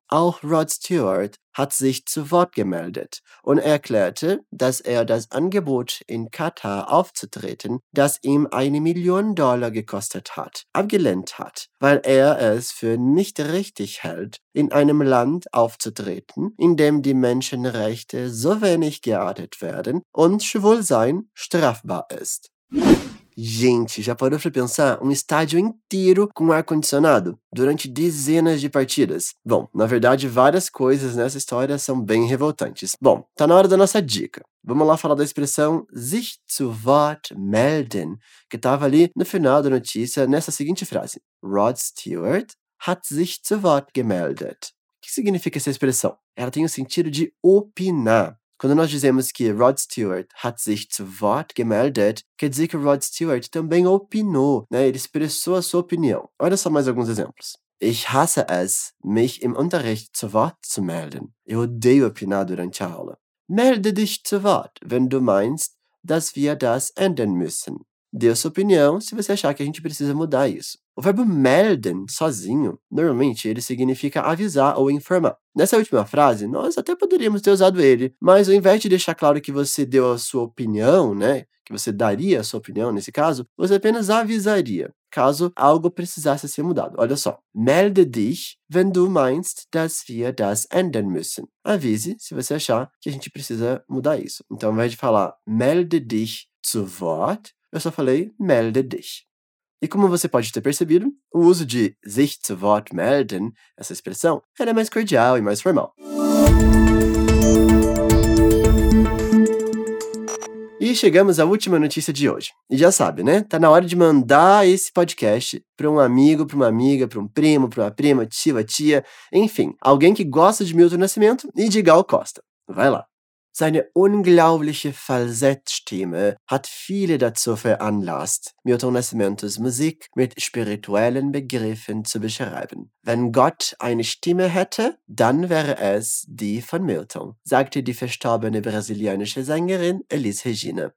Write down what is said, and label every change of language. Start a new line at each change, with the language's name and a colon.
German: Auch Rod Stewart hat sich zu Wort gemeldet und erklärte, dass er das Angebot, in Katar aufzutreten, das ihm $1 Million gekostet hat, abgelehnt hat, weil er es für nicht richtig hält, in einem Land aufzutreten, in dem die Menschenrechte so wenig geachtet werden und Schwulsein strafbar ist.
Portuguese: Gente, já parou pra pensar? Um estádio inteiro com ar-condicionado durante dezenas de partidas. Bom, na verdade, várias coisas nessa história são bem revoltantes. Bom, tá na hora da nossa dica. Vamos lá falar da expressão sich zu Wort melden, que tava ali no final da notícia nessa seguinte frase.
German: Rod Stewart hat sich zu Wort gemeldet.
Portuguese: O que significa essa expressão? Ela tem o sentido de opinar. Quando nós dizemos que
German: Rod Stewart hat sich zu Wort gemeldet,
Portuguese: quer dizer que Rod Stewart também opinou, né? Ele expressou a sua opinião. Olha só mais alguns exemplos.
German: Ich hasse es, mich im Unterricht zu Wort zu melden.
Portuguese: Eu odeio opinar durante a aula.
German: Melde dich zu Wort, wenn du meinst, dass wir das ändern müssen.
Portuguese: Dê sua opinião se você achar que a gente precisa mudar isso. O verbo melden, sozinho, normalmente ele significa avisar ou informar. Nessa última frase, nós até poderíamos ter usado ele, mas ao invés de deixar claro que você deu a sua opinião, né, que você daria a sua opinião nesse caso, você apenas avisaria, caso algo precisasse ser mudado. Olha só.
German: Melde dich, wenn du meinst, dass wir das ändern müssen.
Portuguese: Avise se você achar que a gente precisa mudar isso. Então, ao invés de falar
German: melde dich zu Wort,
Portuguese: eu só falei
German: melde dich.
Portuguese: E como você pode ter percebido, o uso de sich zu Wort melden, essa expressão, ela é mais cordial e mais formal. E chegamos à última notícia de hoje. E já sabe, né? Tá na hora de mandar esse podcast para um amigo, para uma amiga, para um primo, para uma prima, tio, tia, enfim, alguém que gosta de Milton Nascimento e de Gal Costa. Vai lá.
German: Seine unglaubliche Falsettstimme hat viele dazu veranlasst, Milton Nascimentos Musik mit spirituellen Begriffen zu beschreiben. Wenn Gott eine Stimme hätte, dann wäre es die von Milton, sagte die verstorbene brasilianische Sängerin Elis Regina.